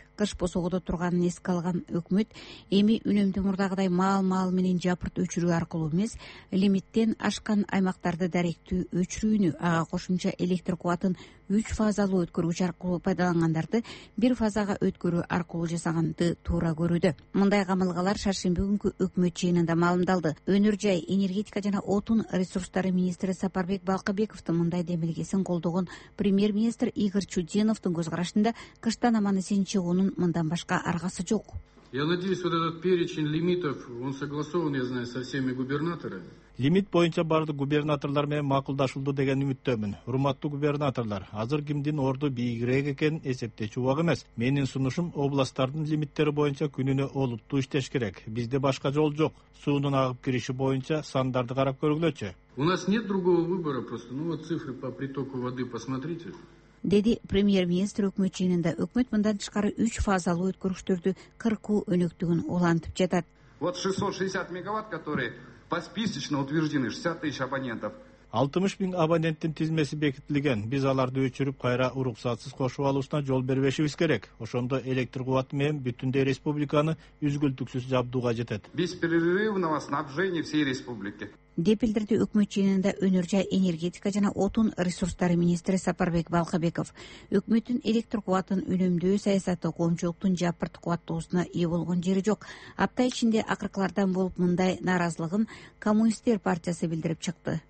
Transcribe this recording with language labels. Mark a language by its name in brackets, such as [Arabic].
[Kyrgyz] Кыш босогодо турганын эске алган өкмөт эми үнөмдү мурдагыдай маал менен жапырт өчүрүү аркылуу эмес, лимиттен ашкан аймактарды даректүү өчүрүүнү, ага кошумча электр кубатын 3 фазалуу өткөргүч аркылуу пайдалангандарды 1 фазага өткөрүү аркылуу жасаганды туура көрүүдө. Мындай камылгалар шаршемби күнкү өкмөт жыйынында маалымдалды. Өнөр жай, энергетика жана отун ресурстары министри Сапарбек Балкыбековдун мындай демилгесин колдогон премьер министр Игорь Чудиновдун көз карашында кыштан аман эсен чыгуунун мындан башка аргасы жок. [Russian] Я надеюсь, вот этот перечень лимитов, он согласован, я знаю, со всеми губернаторами. [Kyrgyz] Лимит боюнча бардык губернаторлор менен макулдашылды деген үмүттөмүн. Урматтуу губернаторлор, азыр кимдин орду бийигирээк экенин эсептеч убак эмес. Менин сунушум областтардын лимиттери боюнча күнүнө олуттуу иштеш керек. Бизде башка жол жок. Суунун агып кириши боюнча сандарды карап көргүлөчү. [Russian] У нас нет другого выбора просто. Ну вот цифры по притоку воды посмотрите. [Kyrgyz] Деди премьер-министр өкмөтчүнүндө. Өкмөт мындан тышкары 3 фазалуу өткөрүштөрдү кыркуу өнөктүгүн улантып жатат. [Russian] Вот 660 мегаватт, которые посписочно утверждены 60 тысяч абонентов. [Kyrgyz] 60 000 абоненттин тизмеси бекитилген. Биз аларды өчүрүп кайра уруксатсыз кошуп алуусуна жол бербешибиз керек. Ошондо электр кубаты менен бүтүндөй республиканы үзгүлтүксүз жабдууга жетет. [Russian] Беспрерывного снабжения всей республики. [Kyrgyz] Деп билдирди өкмөт жыйынында өнөр жай энергетика жана отун ресурстары министри Сапарбек Балкабеков. Өкмөттүн электр кубатын үнөмдөө саясаты коомчулуктун жапырт кубаттоосуна ээ болгон жери жок. Апта ичинде акыркылардан болуп мындай нааразылыгын коммунисттер партиясы билдирип чыкты.